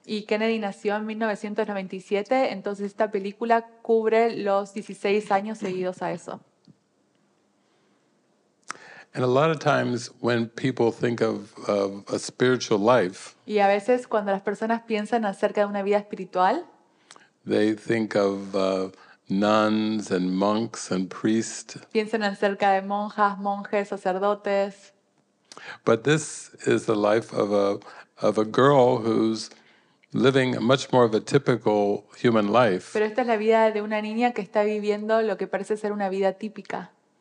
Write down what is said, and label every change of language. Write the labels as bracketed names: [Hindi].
[Spanish] Y Kennedy nació en 1997, entonces esta película cubre los 16 años seguidos a eso. [English] And a lot of times when people think of a spiritual life, [Spanish] y a veces cuando las personas piensan acerca de una vida espiritual, [English] they think of nuns and monks and priests. [Spanish] Piensan acerca de monjas, monjes, sacerdotes. [English] But this is the life of a girl who's living much more of a typical human life. [Spanish] Pero esta es la vida de una niña que está viviendo lo que parece ser una vida típica.